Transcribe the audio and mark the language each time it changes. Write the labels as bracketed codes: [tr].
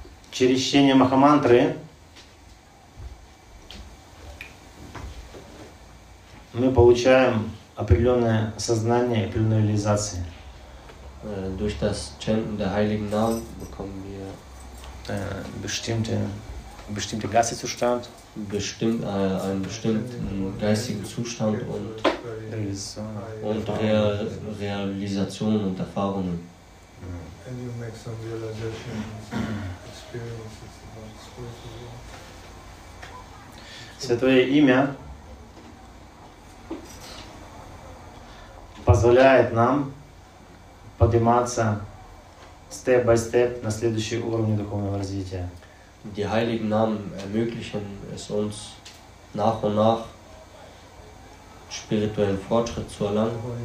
[ru] Через чтение Махамантры мы получаем определенное сознание, определенную реализацию. [de] Durch das Chanten der Heiligen Namen bekommen wir bestimmte geistigen Zustand, einen bestimmten geistigen Zustand und Realisation und Erfahrungen. [en] And you make some realization experiences about [ru] Святое имя позволяет нам подниматься [en] step by step [ru] на следующий уровень духовного развития. [de] Die heiligen Namen ermöglichen es uns nach und nach spirituellen Fortschritt zu erlangen.